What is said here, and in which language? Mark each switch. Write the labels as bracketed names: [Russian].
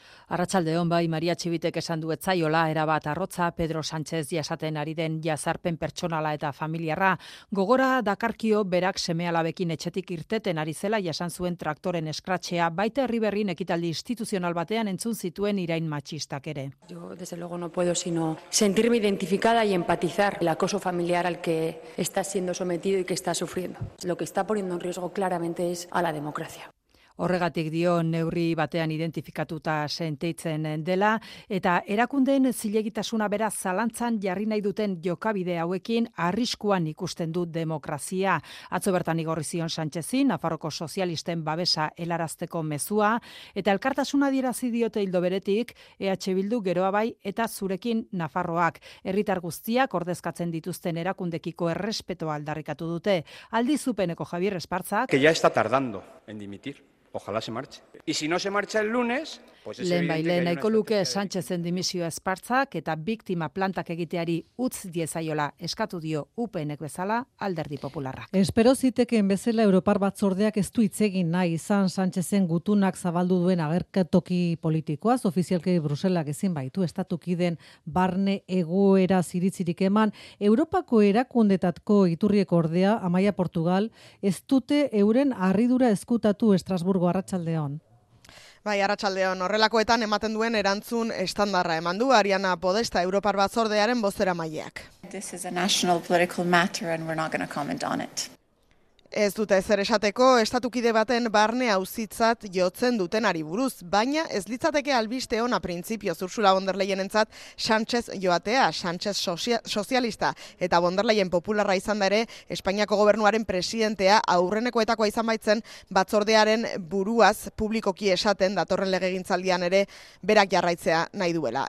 [Basque] Arratsaldeon bai, Maria Txibitek esan du etzaiola erabat arrotza Pedro Sánchez jasaten ari den jazarpen pertsonala eta familiarra. Gogora dakarkio berak semealabekin etxetik irteten ari zela jasan zuen traktoren eskratxea, baita Herriberrin ekitaldi instituzional batean entzun zituen irain matxistak ere. [Spanish] Yo desde luego no puedo sino sentirme identificada y empatizar el acoso familiar al que está siendo sometido y que está sufriendo. Lo que está poniendo en riesgo claramente es a la democracia. [Basque] Horregatik dio neurri batean identifikatuta sentitzen dela eta erakundeen zilegitasuna bera zalantzan jarri nahi duten jokabide hauekin arriskuan ikusten du demokrazia. Atzo bertan igorri zion Sánchezi Nafarroko sozialisten babesa helarazteko mezua eta elkartasuna adierazi diote ildo beretik EH Bildu geroa bai eta zurekin Nafarroak. Herritar guztiak ordezkatzen dituzten erakundekiko errespetoa aldarrikatu dute. Aldiz UPN-eko Javier Espartzak [Spanish] que ya está tardando en dimitir. Ojalá se marche. Y si no se marcha el lunes, pues es [Basque] lehen baile nahiko luke Sánchezen dimisioa Espartzak eta biktima plantak egiteari utz diezaiola eskatu dio UPNek bezala Alderdi Popularrak. Espero zitekeen bezala Europar Batzordeak ez du hitz egin nahi izan Sánchezen gutunak zabaldu duen agertoki politikoaz, ofizialki Bruselak ezin baitu estatukiden barne egoera ziritzirik eman. Europako erakundetatko iturriek ordea Amaia Portugal ez dute euren harridura ezkutatu Estrasburgo arratsaldeon. Bai, arratsaldeon, horrelakoetan ematen duen erantzun estandarra eman du Ariana Podesta Europar Batzordearen bozeramaileak. [English] This is a national political matter and we're not going to comment on it. [Basque] Ez dute ezer esateko estatukide baten barne auzitzat jotzen dutenari buruz, baina ez litzateke albiste ona printzipio Ursula von der Leyenentzat Sánchez joatea, Sánchez sozialista eta von der Leyen popularra izan da ere Espainiako gobernuaren presidentea aurrenekoetakoa izan baitzen batzordearen buruaz publikoki esaten datorren legegintzaldian ere berak jarraitzea nahi duela.